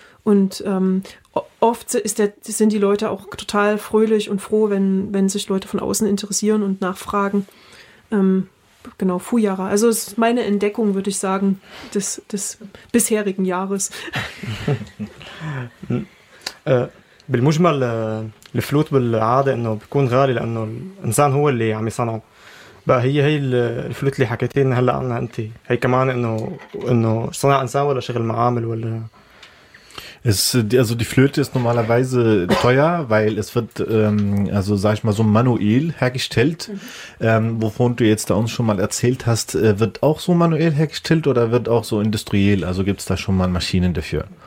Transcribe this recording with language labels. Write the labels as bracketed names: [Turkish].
[German] Und oft sind die Leute auch total fröhlich und froh, wenn sich Leute von außen interessieren und nachfragen. Genau, Fujara. Also es ist meine Entdeckung, würde ich sagen, des bisherigen Jahres. [Arabic] بالمجمل الفلوت بالعادة انه بيكون غالي لانه الانسان هو اللي عم يصنعه بقى هي الفلوت اللي حكيتي لنا هلا عنها انت هي كمان انه صنع انسان ولا شغل معامل ولا [German] Also die Flöte ist normalerweise teuer, weil es wird, also sag ich mal so manuell hergestellt, wovon du jetzt da uns schon mal erzählt hast, wird auch so manuell hergestellt oder wird auch so industriell, also gibt es da schon mal Maschinen dafür?